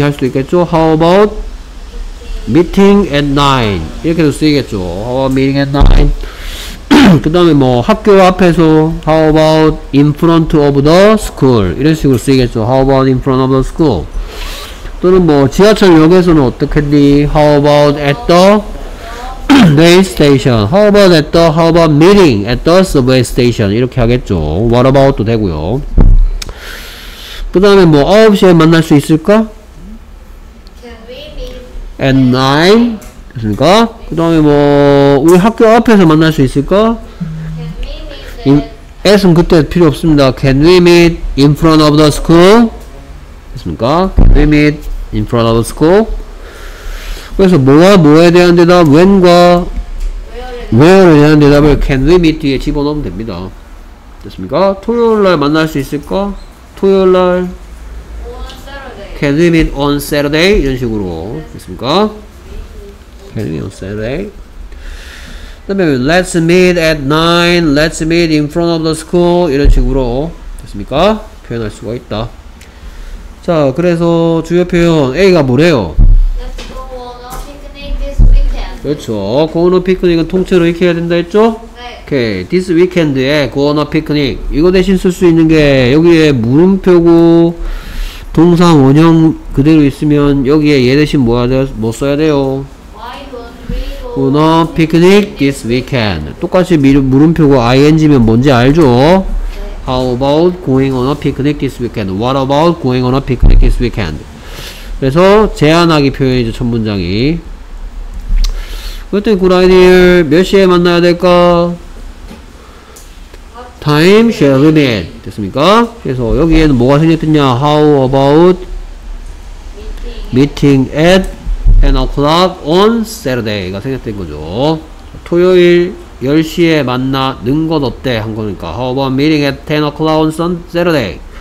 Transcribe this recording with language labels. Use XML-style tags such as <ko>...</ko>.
<ko>할 수도 있겠죠.</ko> <en>How about meeting at 9?</en> <ko>이렇게도 쓰이겠죠.</ko> <en>How about meeting at 9?</en> <ko>그 다음에 뭐 학교 앞에서</ko> <en>How about in front of the school</en> <ko>이런 식으로 쓰이겠죠.</ko> <en>How about in front of the school.</en> <ko>또는 뭐 지하철역에서는 어떻겠니.</ko> <en>How about at the train station. How about at the, how about meeting at the subway station.</en> <ko>이렇게 하겠죠. What about도 되고요. 그 다음에 뭐 9시에 만날 수 있을까?</ko> <en>Can we meet at 9?</en> <ko>됐습니까? 그 다음에 뭐 우리 학교 앞에서 만날 수 있을까?</ko> <en>Can we meet</en> <ko>at? 은 그때 필요 없습니다.</ko> <en>Can we meet in front of the school?</en> <ko>됐습니까?</ko> <en>Can we meet in front of the school?</en> <ko>그래서 뭐와 뭐에 대한 대답, when과 where에 대한 대답을 can we meet 뒤에 집어넣으면 됩니다. 됐습니까? 토요일날 만날 수 있을까? 토요일날</ko> <en>Can we meet on Saturday?</en> <ko>이런 식으로 됐습니까?</ko> <en>Can we meet on Saturday?</en> <ko>그다음에</ko> <en>Let's meet at 9. Let's meet in front of the school.</en> <ko>이런 식으로 됐습니까? 표현할 수가 있다. 자, 그래서 주요 표현 A가 뭐래요?</ko> <en>Let's go on a picnic this weekend.</en> <ko>그렇죠.</ko> <en>Go on a picnic</en> <ko>은 통째로 이렇게 해야 된다 했죠? 오케이, okay.</ko> <en>This weekend에 go on a picnic.</en> <ko>이거 대신 쓸 수 있는 게 여기에 물음표고 동사 원형 그대로 있으면 여기에 얘 대신 뭐 해야 돼요? 뭐 써야 돼요?</ko> <en>Why don't we go on a picnic this weekend?</en> <ko>똑같이 물음표고 ing면 뭔지 알죠? 네.</ko> <en>How about going on a picnic this weekend? What about going on a picnic this weekend?</en> <ko>그래서 제안하기 표현이죠, 첫 문장이. 그랬더니 구라이들 몇 시에 만나야 될까?</ko> <en>Time shall we meet?</en> <ko>됐습니까? 그래서 여기에는 뭐가 생겼냐?</ko> <en>How about meeting at 10 o'clock on Saturday가</en> <ko>생겼던 거죠. 토요일 10시에 만나는 것 어때? 한 거니까</ko> <en>How about meeting at 10 o'clock on Saturday?</en>